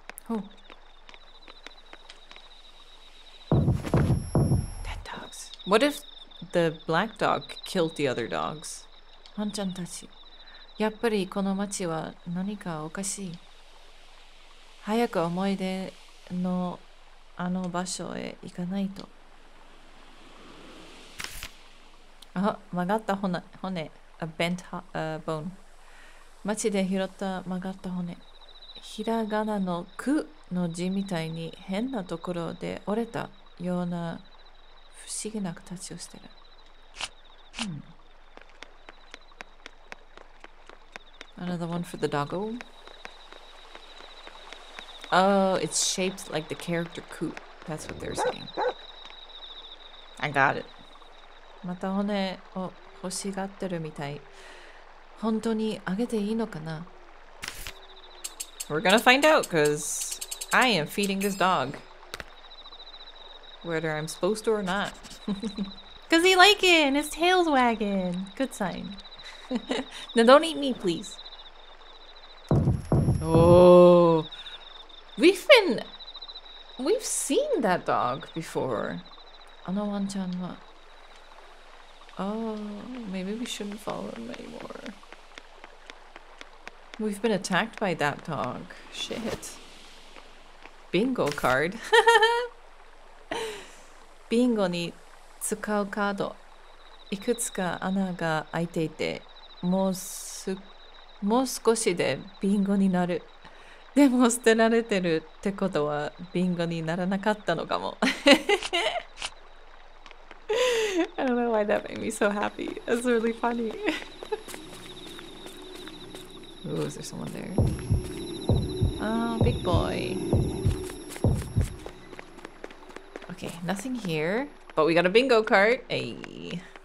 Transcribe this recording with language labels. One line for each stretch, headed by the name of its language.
English: Oh. Dead dogs. What if the black dog killed the other dogs?
Japanese: ワンちゃんたち。やっぱりこの街は何かおかしい。早く思い出のあの場所へ行かないと。あ、曲がった骨。
English: A bent bone.
Japanese: 街で拾った曲がった骨。ひらがなのくの字みたいに変なところで折れたような不思議な形をしてる。
English: Another one for the doggo. Oh, it's shaped like the character Ku. That's what they're saying. I got it.
Japanese: また骨を欲しがってるみたい。本当にあげていいのかな?
English: We're gonna find out, because I am feeding this dog. Whether I'm supposed to or not. Because he like it, and his tail's wagging. Good sign. Now don't eat me, please. Oh, we've seen that dog before.
Japanese: あのワンちゃんは。
English: Oh, maybe we shouldn't follow him anymore. We've been attacked by that dog. Shit. Bingo card.
Japanese: Bingo に使うカード。いくつか穴が開いていて、もう少しでビンゴになる。でも捨てられてるってことはビンゴにならなかったのかも。
English: I don't know why that made me so happy. That's really funny. Ooh, is there someone there? Oh, big boy. Okay, nothing here. But we got a bingo card. Hey.